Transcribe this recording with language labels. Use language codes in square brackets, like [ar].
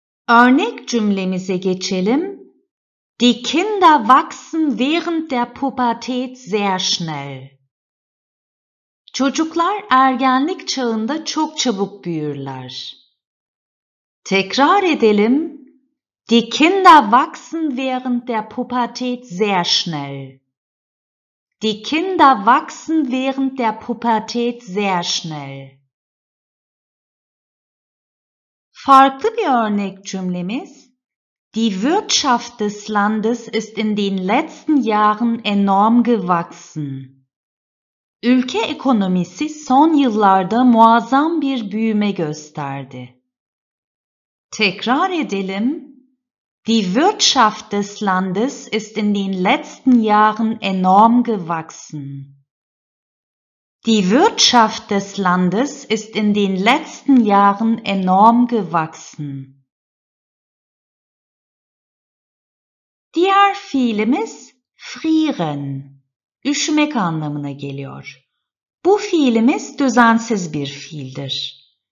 [tr] Örnek cümlemize geçelim. [de] Die Kinder wachsen während der Pubertät sehr schnell. [tr] Çocuklar ergenlik çağında çok çabuk büyürler. Tekrar edelim. [de] Die Kinder wachsen während der Pubertät sehr schnell. Die Kinder wachsen während der Pubertät sehr schnell. [tr] Farklı bir örnek cümlemiz. [de] Die Wirtschaft des Landes ist in den letzten Jahren enorm gewachsen. [tr] Ülke ekonomisi son yıllarda muazzam bir büyüme gösterdi. Tekrar edelim. [de] Die Wirtschaft des Landes ist in den letzten Jahren enorm gewachsen. Die Wirtschaft des Landes ist in den letzten Jahren enorm gewachsen. [tr] Diğer fiilimiz frieren, üşümek anlamına geliyor. Bu fiilimiz düzensiz bir fiildir.